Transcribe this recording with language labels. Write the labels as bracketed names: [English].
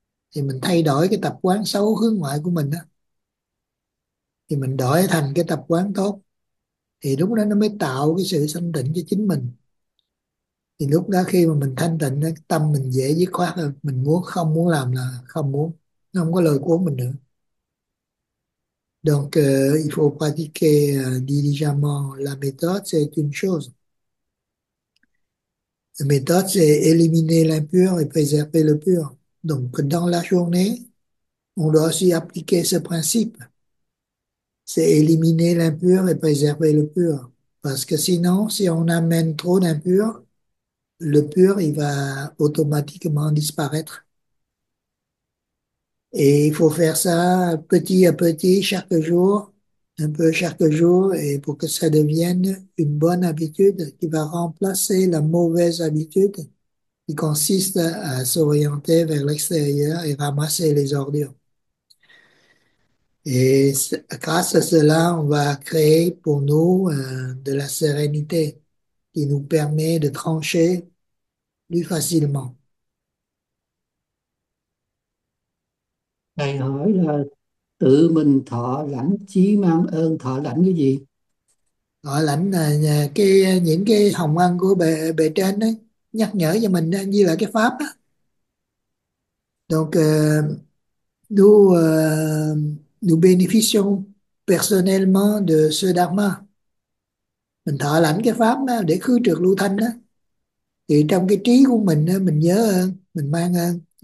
[Vietnamese] Thì mình thay đổi cái tập quán xấu hướng ngoại của mình đó, thì mình đổi thành cái tập quán tốt, thì lúc đó nó mới tạo cái sự thanh tịnh cho chính mình. Thì lúc đó khi mà mình thanh tịnh, tâm mình dễ dứt khoát hơn. Mình muốn không muốn làm là không muốn, nó không có lời của mình nữa. [French] Donc, il faut pratiquer diligemment la méthode, c'est une chose. La méthode, c'est éliminer l'impur et préserver le pur. Donc, dans la journée, on doit aussi appliquer ce principe. C'est éliminer l'impur et préserver le pur. Parce que sinon, si on amène trop d'impur, le pur, il va automatiquement disparaître. Et il faut faire ça petit à petit, chaque jour, un peu chaque jour, et pour que ça devienne une bonne habitude qui va remplacer la mauvaise habitude qui consiste à s'orienter vers l'extérieur et ramasser les ordures. Et grâce à cela, on va créer pour nous de la sérénité qui nous permet de trancher plus facilement. [Vietnamese] Thầy hỏi là tự mình thọ lãnh trí mang ơn, thọ lãnh cái gì? họ lãnh là cái những cái hồng ân của bề bề trên đấy nhắc nhở cho mình như là cái pháp đó. [French] Donc nous bénéficions personnellement de ce dharma, [Vietnamese] mình thọ lãnh cái pháp đó để khứ trược lưu thanh đó, thì trong cái trí của mình đó, mình nhớ ơn, mình mang ơn.